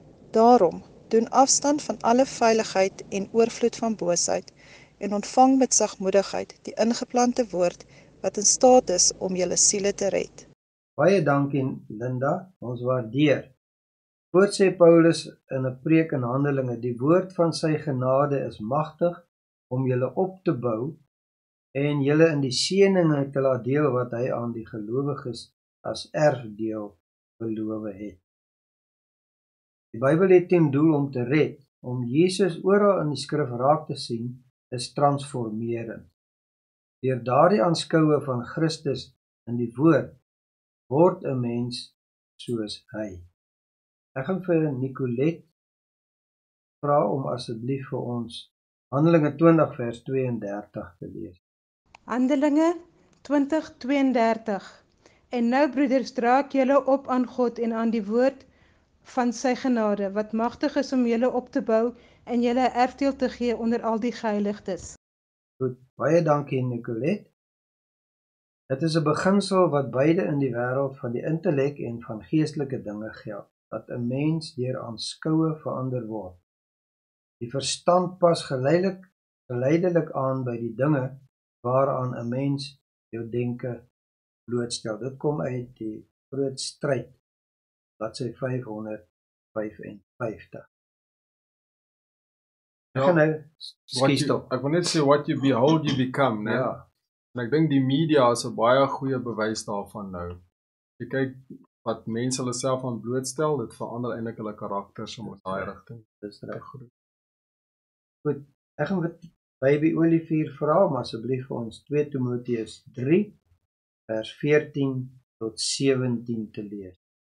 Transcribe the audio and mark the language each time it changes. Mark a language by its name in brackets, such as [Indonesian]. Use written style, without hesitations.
[Afrikaans] Daarom, doen afstand van alle veiligheid en oorvloed van boosheid, en ontvang met sagmoedigheid die ingeplante woord, wat in staat is om julle siele te red. Baie dankie Linda, ons waardeer. Voort sê Paulus in 'n preek in Handelinge, die woord van sy genade is magtig om julle op te bou en julle in die seëninge te laat deel wat hy aan die gelowiges as erfdeel beloof het. Die Bybel het ten doel om te red, om Jesus oral in die skrif raak te sien, is transformerend. Deur daardie aanskoue van Christus in die woord, word 'n mens soos hy. Ek gaan vir Nicolet vra om asseblief vir ons Handelinge 20 vers 32 te lees. Handelinge 20 32. En nou broeders, draak julle op aan God en aan die woord van sy genade, wat magtig is om julle op te bou en julle erfdeel te gee onder al die geheiligdes. Goed, baie dankie Nicolet. Dit is 'n beginsel wat beide in die wêreld van die intellek en van geestelike dinge geld, dat 'n mens deur aanskoue verander word. Die verstand pas geleidelik aan by die dinge waaraan 'n mens jou denke blootstel. Dit kom uit die groot stryd, bladsy 555. Ek wil net sê, [English] what you behold, you become, [Afrikaans] né? Ja. En ek denk die media is 'n baie goeie bewys daarvan nou. Jy kyk wat mense hulle self aan blootstel, dit verander eintlik hulle karakters om daai rigting. Dis reg. Goed, ek gaan vir Baby Olivier vra om asseblief vir ons 2 Timoteus 3 vers 14 tot 17 te lees.